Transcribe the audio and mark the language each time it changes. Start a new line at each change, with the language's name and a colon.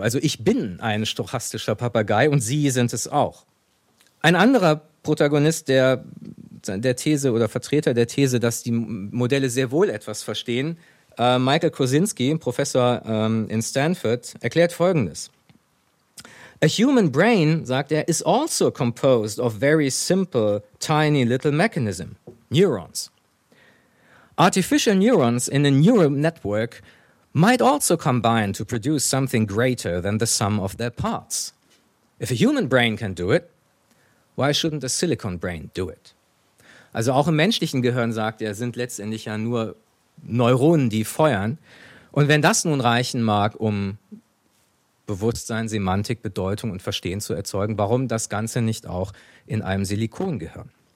German: Also ich bin ein stochastischer Papagei und Sie sind es auch. Ein anderer Protagonist der These oder Vertreter der These, dass die Modelle sehr wohl etwas verstehen, Michael Kosinski, Professor in Stanford, erklärt Folgendes.
English: A human brain,
German: sagt er,
English: is also composed of very simple, tiny little mechanism, neurons. Artificial neurons in a neural network might also combine to produce something greater than the sum of their parts. If a human brain can do it, why shouldn't a silicon brain do it?
German: Also auch im menschlichen Gehirn, sagt er, sind letztendlich ja nur Neuronen, die feuern. Und wenn das nun reichen mag, um Bewusstsein, Semantik, Bedeutung und Verstehen zu erzeugen, warum das Ganze nicht auch in einem Silikongehirn?